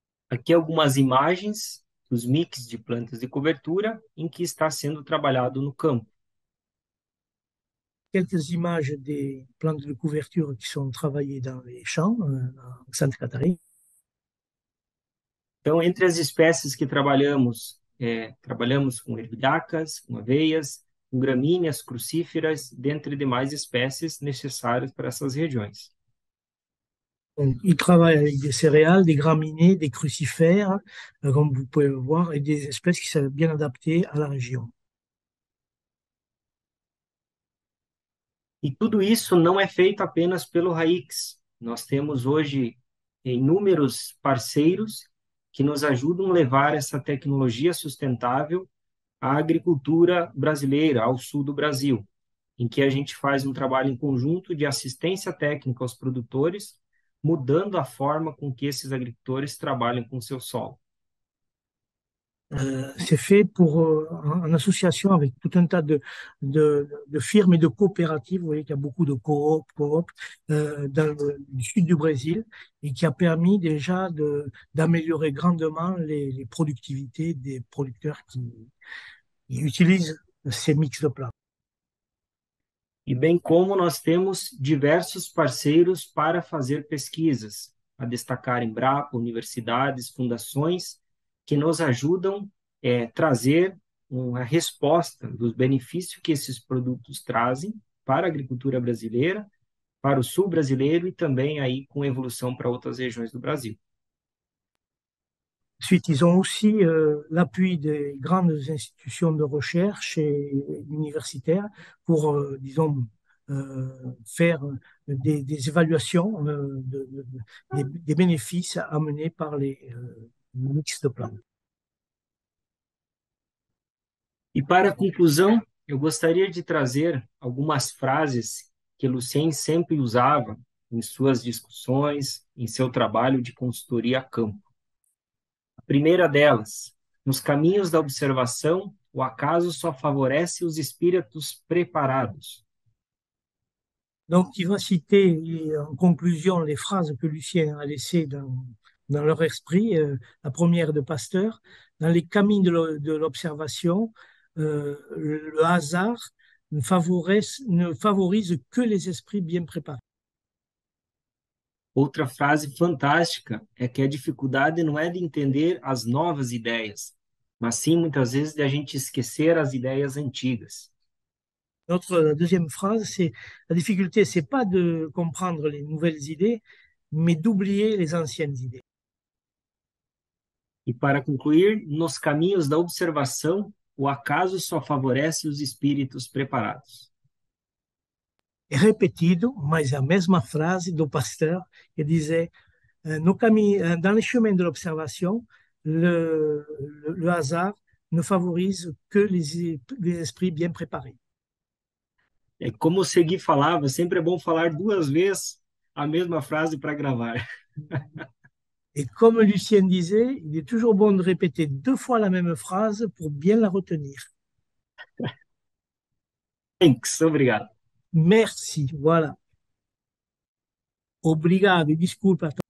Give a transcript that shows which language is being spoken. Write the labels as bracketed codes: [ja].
[pt] Aqui algumas imagens dos mix de plantas de cobertura em que está sendo trabalhado no campo. [fr] Quelques images des plantes de couverture qui sont travaillées dans les champs, en Sainte-Catherine. [pt] Então, entre as espécies que trabalhamos, trabalhamos com ervilhacas, com aveias, com gramíneas, crucíferas, dentre demais espécies necessárias para essas regiões. [fr] Ils travaillent avec des céréales, des graminées, des crucifères, comme vous pouvez le voir, et des espèces qui sont bien adaptées à la région. [pt] E tudo isso não é feito apenas pelo Raix. Nós temos hoje inúmeros parceiros que nos ajudam a levar essa tecnologia sustentável à agricultura brasileira, ao sul do Brasil, em que a gente faz um trabalho em conjunto de assistência técnica aos produtores, mudando a forma com que esses agricultores trabalham com o seu solo. [fr] C'est fait en association avec tout un tas de firmes et de coopératives. Vous voyez qu'il y a beaucoup de coop, dans le sud du Brésil et qui a permis déjà d'améliorer grandement les productivités des producteurs qui utilisent ces mix de plantes. [pt] E bem como nós temos diversos parceiros para fazer pesquisas, a destacar Embrapa, universidades, fundações, que nos ajudam a trazer uma resposta dos benefícios que esses produtos trazem para a agricultura brasileira, para o sul brasileiro e também aí com evolução para outras regiões do Brasil. [fr] Ensuite, ils ont aussi l'appui des grandes institutions de recherche et universitaires pour, disons, faire des évaluations des bénéfices amenés par les mix de plantes. [pt] E para a conclusão, eu gostaria de trazer algumas frases que Lucien sempre usava em suas discussões, em seu trabalho de consultoria a campo. A primeira delas: nos caminhos da observação, o acaso só favorece os espíritos preparados. [fr] Donc, il va citer en conclusion les phrases que Lucien a laissées dans leur esprit, la première de Pasteur. Dans les chemins de l'observation, le hasard ne favorise que les esprits bien préparés. [pt] Outra frase fantástica é que a dificuldade não é de entender as novas ideias, mas sim muitas vezes de a gente esquecer as ideias antigas. [fr] La deuxième phrase, c'est la difficulté, c'est pas de comprendre les nouvelles idées, mais d'oublier les anciennes idées. [pt] E para concluir, nos caminhos da observação, o acaso só favorece os espíritos preparados. É repetido, mas a mesma frase do Pasteur, que dizia: no caminho, [fr] dans le chemin de l'observation, le hasard ne favorise que les esprits bien préparés. [pt] É como o Segui falava, sempre é bom falar duas vezes a mesma frase para gravar. [fr] Et comme Lucien disait, il est toujours bon de répéter deux fois la même phrase pour bien la retenir. [en] Thanks, [pt] obrigado. [fr] Merci, voilà. [pt] Obrigado, desculpa.